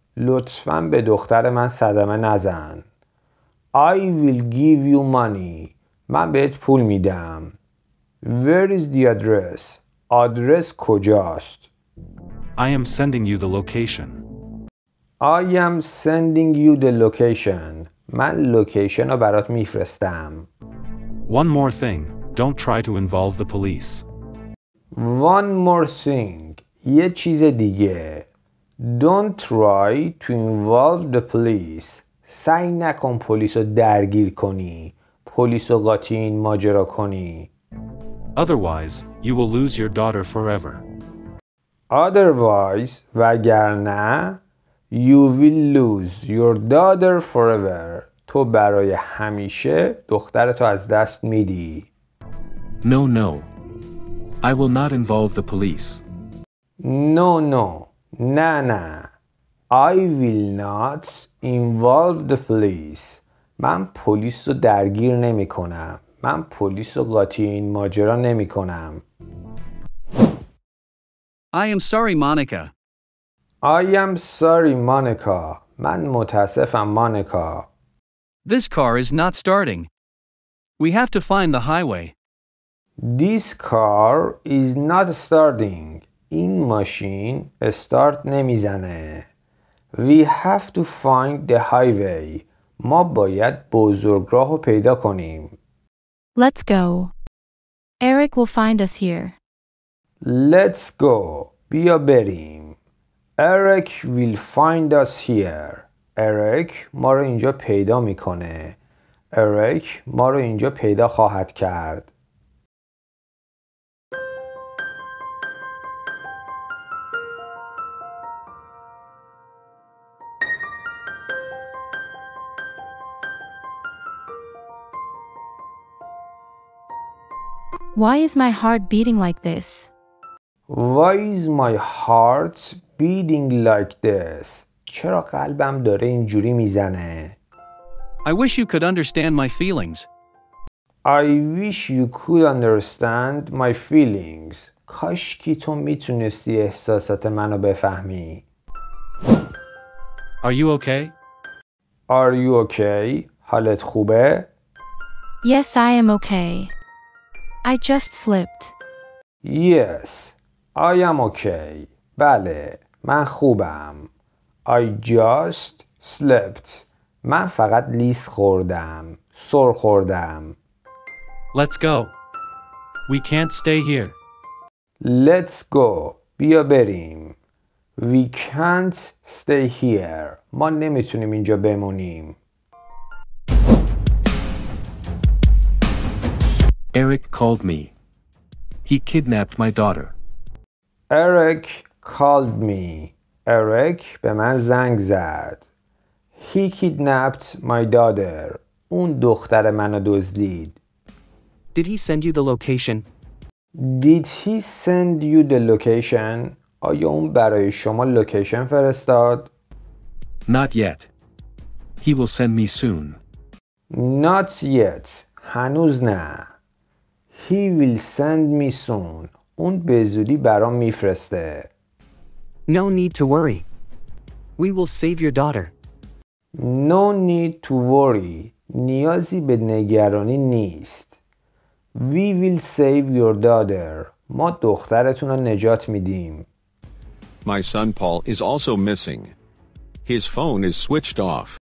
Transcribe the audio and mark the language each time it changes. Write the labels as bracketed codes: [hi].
[fa] لطفاً به دختر من صدمه نزن. [en] I will give you money. [fa] من بهت پول میدم. [en] Where is the address? [fa] آدرس کجاست؟ [en] I am sending you the location. I am sending you the location. [fa] من لوکیشن رو برات میفرستم. [en] One more thing. Don't try to involve the police. One more thing. [fa] یه چیز دیگه. [en] Don't try to involve the police. [fa] سعی نکن پلیس رو درگیر کنی. پلیس رو قاطی این ماجرا کنی. [en] Otherwise, you will lose your daughter forever. Otherwise, [fa] وگرنه, [en] you will lose your daughter forever. [fa] تو برای همیشه دخترتو از دست میدی. [en] No, no. I will not involve the police. No, no. [fa] نه, نه. [en] I will not involve the police. [fa] من پلیس رو درگیر نمی کنم. من پلیس رو قاطی این ماجرا نمی کنم. [en] I am sorry, Monica. I am sorry, Monica. [fa] من متاسفم, Monica. [en] This car is not starting. We have to find the highway. This car is not starting. [fa] این ماشین استارت نمیزنه. [en] We have to find the highway. [fa] ما باید بزرگراه رو پیدا کنیم. [en] Let's go. Eric will find us here. Let's go. [fa] بیا بریم. [en] Eric will find us here. [fa] Eric ما رو اینجا پیدا میکنه. Eric ما رو اینجا پیدا خواهد کرد. [en] Why is my heart beating like this? Why is my heart beating like this? [fa] چرا قلبم داره اینجوری میزنه؟ [en] I wish you could understand my feelings. I wish you could understand my feelings. [fa] کاش کی تو میتونستی احساسات منو بفهمی. [en] Are you okay? Are you okay? [fa] حالت خوبه؟ [en] Yes, I am okay. I just slipped. Yes, I am okay. [fa] بله, من خوبم. [en] I just slipped. [fa] من فقط لیس خوردم. سر خوردم. [en] Let's go. We can't stay here. Let's go. [fa] بیا بریم. [en] We can't stay here. [fa] ما نمیتونیم اینجا بمونیم. [en] Eric called me. He kidnapped my daughter. Eric called me. [fa] Eric به من زنگ زد. [en] He kidnapped my daughter. [fa] اون دختر منو دزدید. [en] Did he send you the location? Did he send you the location? [fa] آیا اون برای شما لوکیشن فرستاد؟ [en] Not yet. He will send me soon. Not yet. [fa] هنوز نه. [en] He will send me soon. [fa] اون به زودی برام میفرسته. [en] No need to worry. We will save your daughter. No need to worry. [fa] نیازی به نگرانی نیست. [en] We will save your daughter. [fa] ما دخترتون رو نجات میدیم. [en] My son Paul is also missing. His phone is switched off.